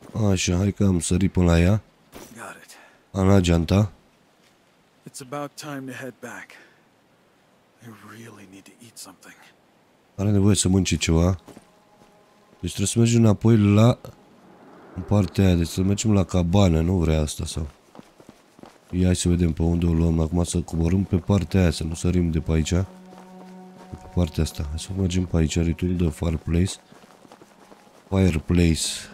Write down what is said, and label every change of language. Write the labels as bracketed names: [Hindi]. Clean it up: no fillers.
[Romanian] Așa, hai că am sărit până la ea. Am luat geanta. [English] It's about time to head back. I really need to eat something. [Romanian] Are nevoie să mânce ceva. Deci trebuie să mergem înapoi la... În partea aia, deci să mergem la cabană, nu vrea asta sau... Ia să vedem pe unde o luăm. Acum să coborâm pe partea aia, să nu sărim de pe aici. Pe partea asta. Hai să mergem pe aici. [English] Return the fireplace. Fireplace.